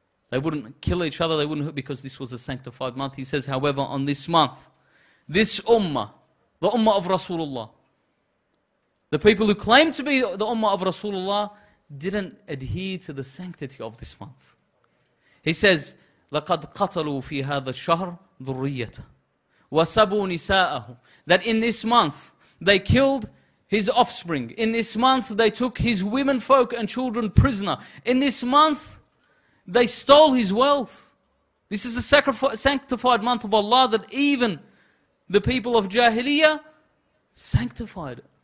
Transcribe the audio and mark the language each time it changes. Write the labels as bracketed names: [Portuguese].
[English] They wouldn't kill each other, they wouldn't, because this was a sanctified month. He says, however, on this month, this ummah, the ummah of Rasulullah, the people who claim to be the ummah of Rasulullah, didn't adhere to the sanctity of this month. He says, [Arabic] لَقَدْ قَتَلُوا فِي هَذَا الشَّهْرِ ذُرِّيَّةَ وَسَبُوا نِسَاءَهُ. [English] That in this month, they killed his offspring. In this month, they took his women folk and children prisoner. In this month, they stole his wealth. This is a sanctified month of Allah that even the people of Jahiliyyah sanctified.